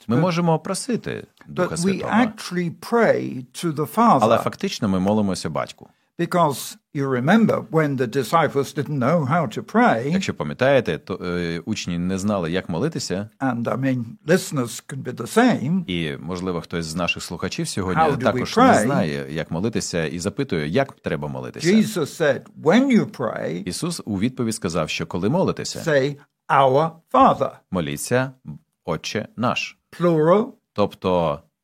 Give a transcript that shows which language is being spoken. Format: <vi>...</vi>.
<uk>Ми можемо просити Духа Святого.</uk> <en>But we actually pray to the Father.</en> <uk>Але фактично ми молимося Батьку.</uk> <en>Because you remember when the disciples didn't know how to pray.</en> <uk>Якщо пам'ятаєте, то учні не знали, як молитися.</uk> <en>And I mean, listeners could be the same.</en> <uk>І, можливо, хтось з наших слухачів сьогодні також не знає, як молитися, і запитує, як треба молитися.</uk> <en>Jesus said, when you pray,</en> <uk>Ісус у відповідь сказав, що коли молитеся,</uk> <en>say, our Father.</en> <uk>Моліться, Отче наш.</uk> <en>Plural.</en> <uk>Тобто,</uk>